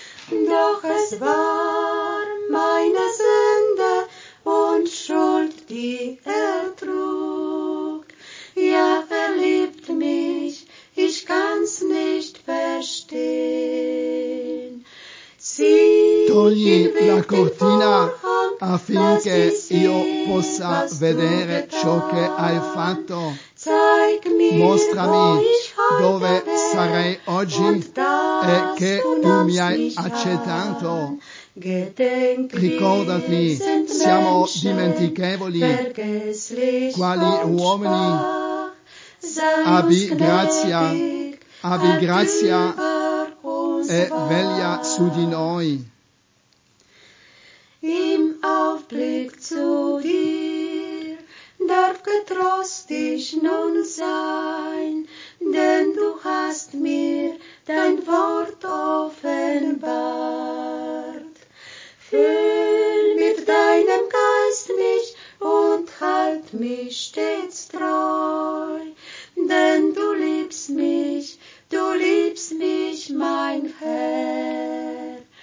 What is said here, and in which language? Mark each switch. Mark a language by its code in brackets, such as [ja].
[de] Doch es war meine Sünde und Schuld, die er trug. Ja, er liebt mich, ich kann's nicht verstehen. [it] Togli la cortina affinché io possa vedere ciò che hai fatto. Mostrami dove sarei oggi e che tu mi hai accettato. Ricordati, siamo dimentichevoli, quali uomini. Abbi grazia e veglia su di noi. [de] Im Aufblick zu dir darf getrost ich nun sein, denn du hast mir dein Wort offenbart. Füll mit deinem Geist mich und halt mich stets treu, denn du liebst mich, du liebst mich, mein Herr.